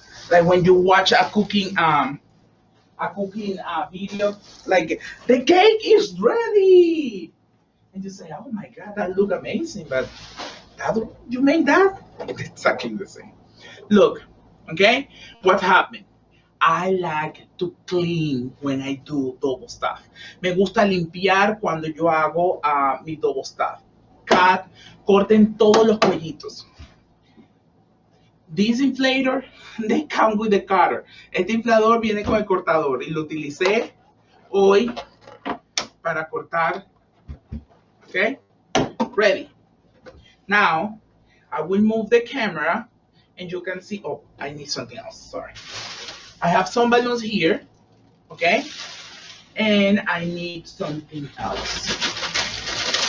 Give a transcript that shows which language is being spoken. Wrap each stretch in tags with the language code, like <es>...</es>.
<en>Like when you watch a cooking video, like the cake is ready, and you say, "Oh my God, that look amazing!" But that, you made that? It's exactly the same. Look, okay, what happened? I like to clean when I do double stuff.</en> <es>Me gusta limpiar cuando yo hago mi double stuff. Corten todos los cuellitos.</es> <en>This inflator, they come with the cutter.</en> <es>Este inflador viene con el cortador y lo utilicé hoy para cortar.</es> <en>Okay? Ready. Now, I will move the camera and you can see. Oh, I need something else. Sorry. I have some balloons here, okay? And I need something else.</en>